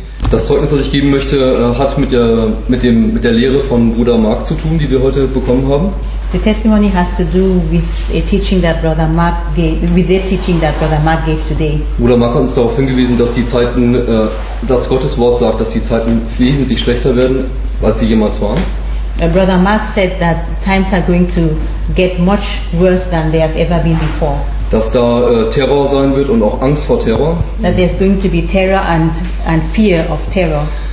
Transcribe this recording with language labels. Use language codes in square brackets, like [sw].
[de] Das Zeugnis, das ich geben möchte, hat mit der Lehre von Bruder Mark zu tun, die wir heute bekommen haben. [en] The testimony has to do with a teaching that Brother Mark gave, with the teaching that Brother Mark gave today. [de] Bruder Mark hat uns darauf hingewiesen, dass die Zeiten, dass Gottes Wort sagt, dass die Zeiten wesentlich schlechter werden, als sie jemals waren. [en] Brother Mark said that times are going to get much worse than they have ever been before. [de] Dass da Terror sein wird und auch Angst vor Terror. [en] That there's going to be terror and fear of terror.